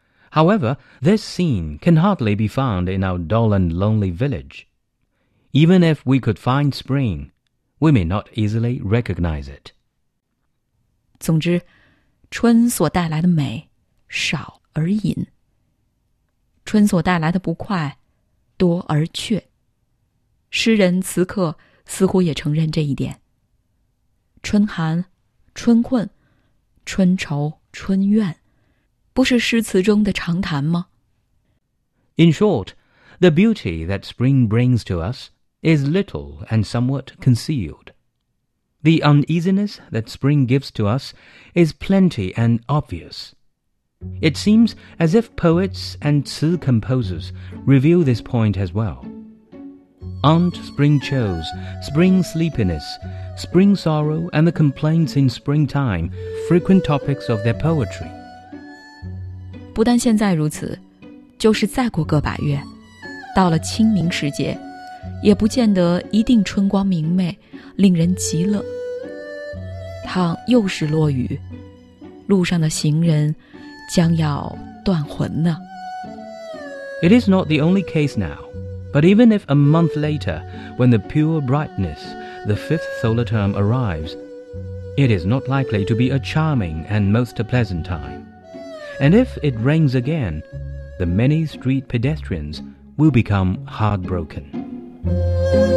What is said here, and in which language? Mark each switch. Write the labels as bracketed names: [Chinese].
[English] However, this scene can hardly be found in our dull and lonely village. Even if we could find spring, we may not easily recognize it. [Chinese] 总之春所带来的美少而隐，春所带来的不快多而却。诗人此刻似乎也承认这一点。春寒、春困、春愁、春怨，不是诗词中的常谈吗？ [English] In short, the beauty that spring brings to us is little and somewhat concealed. The uneasiness that spring gives to us is plenty and obvious. It seems as if poets and 词 composers reveal this point as well. Aren't spring chills, spring sleepiness, spring sorrow and the complaints in springtime frequent topics of their poetry? [Chinese] 不但现在如此，就是再过个把月，到了清明时节，也不见得一定春光明媚，令人极乐。倘又是落雨，路上的行人将要断魂呢。 [English] It is not the only case now, but even if a month later, when the pure brightness, the fifth solar term arrives, it is not likely to be a charming and most pleasant time. And if it rains again, the many street pedestrians will become heartbroken.